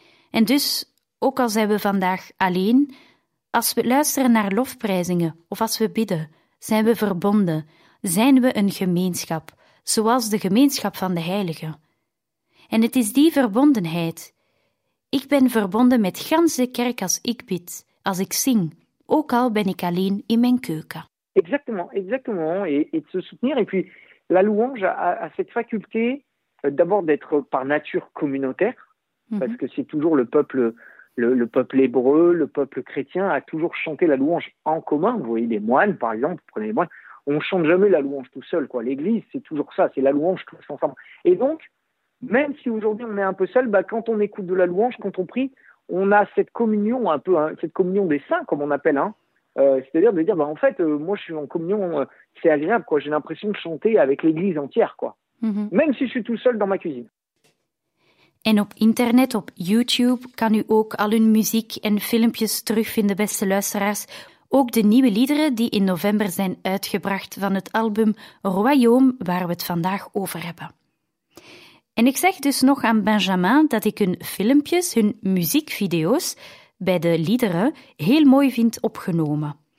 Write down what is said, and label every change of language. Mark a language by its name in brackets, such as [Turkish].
[Dutch] En dus, ook al zijn we vandaag alleen, als we luisteren naar lofprijzingen of als we bidden, zijn we verbonden, zijn we een gemeenschap, zoals de gemeenschap van de heiligen. En het is die verbondenheid. Ik ben verbonden met gans de kerk als ik bid, als ik zing, ook al ben ik alleen in mijn keuken. [French] Exactement, exactement. Et de se soutenir. Et puis, la louange a cette faculté d'abord d'être par nature communautaire, parce que c'est toujours le peuple hébreu, le peuple chrétien a toujours chanté la louange en commun. Vous voyez, les moines, par exemple, vous prenez les moines, on ne chante jamais la louange tout seul, quoi. L'église, c'est toujours ça, c'est la louange tous ensemble. Et donc, même si aujourd'hui on est un peu seul, bah quand on écoute de la louange, quand on prie, on a cette communion un peu, hein, cette communion des saints, comme on appelle, hein. C'est-à-dire de dire, bah en fait, moi je suis en communion, c'est agréable, quoi. J'ai l'impression de chanter avec l'église entière, quoi. Même si je suis tout seul dans ma cuisine. [Dutch] En op internet, op YouTube, kan u ook al hun muziek en filmpjes terugvinden, beste luisteraars. Ook de nieuwe liederen die in november zijn uitgebracht van het album Royaume, waar we het vandaag over hebben. En ik zeg dus nog aan Benjamin dat ik hun filmpjes, hun muziekvideo's, bij de liederen, heel mooi vind opgenomen.